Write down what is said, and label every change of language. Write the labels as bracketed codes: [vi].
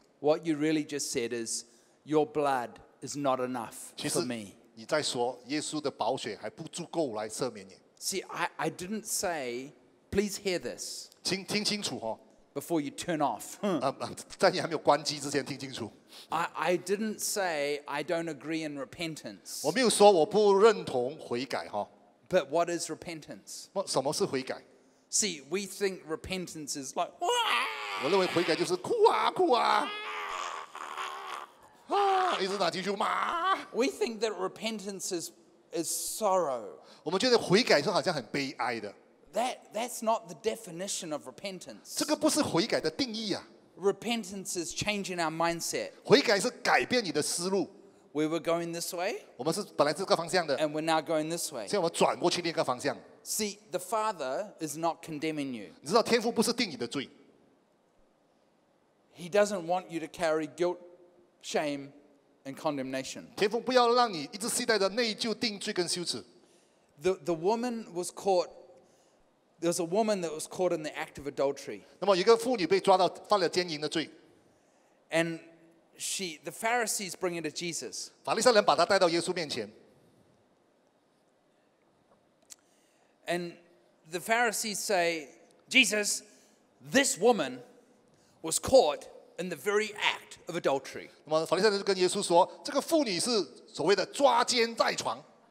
[en] What you really just said is your blood is not enough for me. [zh] 其实你在说耶稣的保血还不足够来赦免你。 [en] See, I didn't say. Please hear this. [zh] 听清楚哦。 [en] Before you turn off. [zh] 在你还没有关机之前，听清楚。 [en] I didn't say I don't agree in repentance. [zh] 我没有说我不认同悔改哈。 [en] But what is repentance? [zh] 什么是悔改 [en] ？See, we think repentance is like. [zh] 我认为悔改就是哭啊哭啊。啊！一直拿起就骂。 [en] We think that repentance is sorrow. [zh] 我们觉得悔改是好像很悲哀的。 [en] That's not the definition of repentance. [zh] 这个不是悔改的定义啊。 [en] Repentance is changing our mindset. [zh] 悔改是改变你的思路。 [en] We were going this way. [zh] 我们是本来这个方向的。 [en] And we're now going this way. [zh] 现在我们转过去另一个方向。 [en] See, the Father is not condemning you. [zh] 你知道天父不是定你的罪。 [en] He doesn't want you to carry guilt, shame, and condemnation. [zh] 天父不要让你一直期待着内疚、定罪跟羞耻。 [en] The woman was caught. There was a woman that was caught in the act of adultery. [zh] 那么一个妇女被抓到犯了奸淫的罪。 [en] And the Pharisees bring her to Jesus. [zh] 法利赛人把她带到耶稣面前。 [en] And the Pharisees say, Jesus, this woman was caught in the very act of adultery. [zh] 那么法利赛人就跟耶稣说，这个妇女是所谓的抓奸在床。